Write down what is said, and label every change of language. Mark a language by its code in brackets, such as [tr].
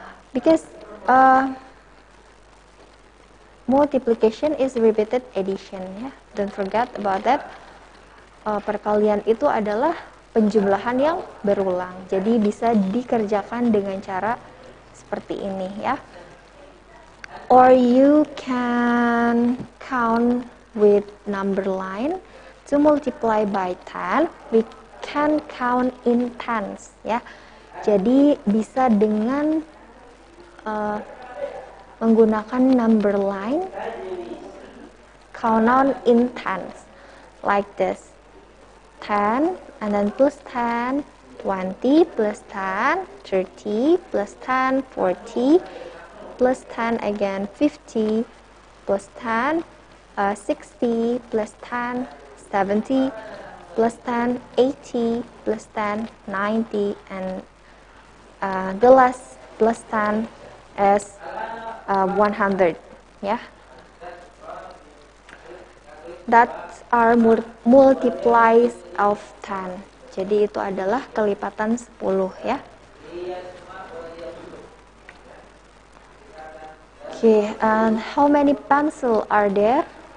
[en] Because multiplication is repeated addition ya. Don't forget about that. [id] Perkalian itu adalah penjumlahan yang berulang. Jadi bisa dikerjakan dengan cara seperti ini ya. [en] Or you can count with number line to multiply by 10. We can count in tens ya. [id] Jadi bisa dengan menggunakan [en] number line count on in tens like this. 10 and then plus 10, 20 plus 10, 30 plus 10, 40 plus 10 again, 50 plus 10, 60 plus 10, 70 plus 10, 80 plus 10, 90 and the last plus 10 is 100, yeah. That are multiplies of 10. [id] Jadi itu adalah kelipatan 10 ya. [en] Oke, okay, and how many pencil are there?